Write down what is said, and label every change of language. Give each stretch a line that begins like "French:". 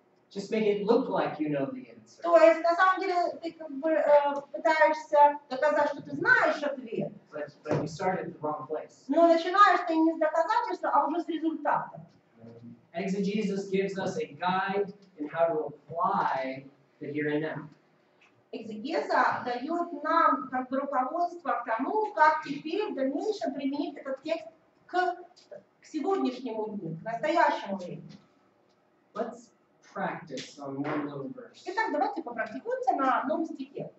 English: Just make it look like you know the answer.
Russian: То есть на самом деле ты как бы пытаешься доказать, что ты знаешь ответ.
English: But you started at the wrong place.
Russian: Но начинаешь ты не с доказательства, а уже с результата.
English: Exegesis gives us a guide in how to apply the here and now.
Russian: Экзегеза дает нам как бы руководство к тому, как теперь в дальнейшем применить этот текст к сегодняшнему дню, к настоящему времени. Итак, давайте попрактикуемся на одном стихе.